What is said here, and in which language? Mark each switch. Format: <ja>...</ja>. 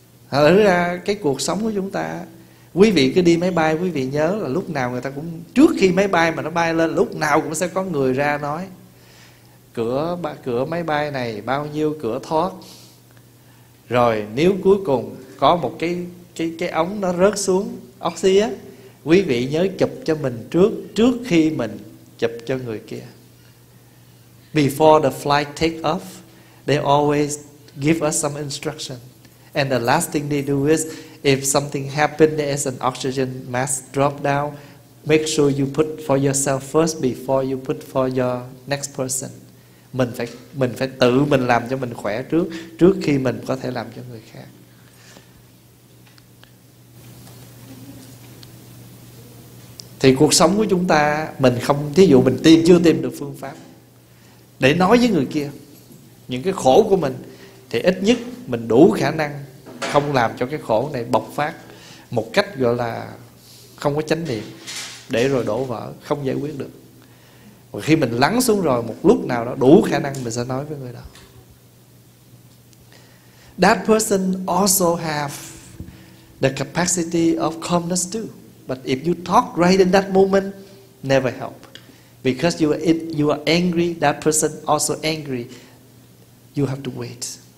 <vi>Thật ra cái cuộc sống của chúng ta, quý vị cứ đi máy bay, quý vị nhớ là lúc nào người ta cũng, trước khi máy bay mà nó bay lên, lúc nào cũng sẽ có người ra nói cửa máy bay này bao nhiêu cửa thoát. Rồi nếu cuối cùng có một cái ống nó rớt xuống oxy á, quý vị nhớ chụp cho mình trước khi mình chụp cho người kia.</vi> <en>Before the flight take off, they always give us some instruction. And the last thing they do is, if something happened, there is an oxygen mask drop down, make sure you put for yourself first before you put for your next person.</en> <vi>Mình phải tự mình làm cho mình khỏe trước khi mình có thể làm cho người khác. Thì cuộc sống của chúng ta, mình không, thí dụ mình chưa tìm được phương pháp để nói với người kia những cái khổ của mình, thì ít nhất mình đủ khả năng không làm cho cái khổ này bộc phát một cách gọi là không có chánh niệm, để rồi đổ vỡ, không giải quyết được. Và khi mình lắng xuống rồi, một lúc nào đó đủ khả năng mình sẽ nói với người đó.</vi> <en>That person also have the capacity of calmness too. But if you talk right in that moment, never help. Because you are angry, that person also angry. You have to wait.</en>